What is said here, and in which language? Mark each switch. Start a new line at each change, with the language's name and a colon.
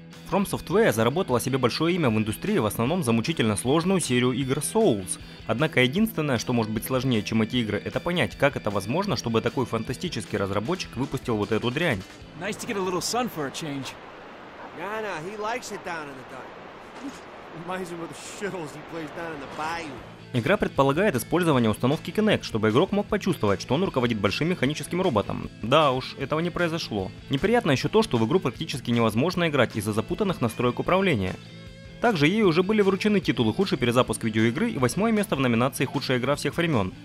Russian: From Software заработала себе большое имя в индустрии в основном за мучительно сложную серию игр Souls. Однако единственное, что может быть сложнее, чем эти игры, это понять, как это возможно, чтобы такой фантастический разработчик выпустил вот эту дрянь.
English: Nice to get a little sun for a change. No, he likes it down in the dark. Reminds him of the shittles he plays down in the bayou.
Russian: Игра предполагает использование установки Kinect, чтобы игрок мог почувствовать, что он руководит большим механическим роботом. Да уж, этого не произошло. Неприятно еще то, что в игру практически невозможно играть из-за запутанных настроек управления. Также ей уже были вручены титулы «Худший перезапуск видеоигры» и 8 место в номинации «Худшая игра всех времен».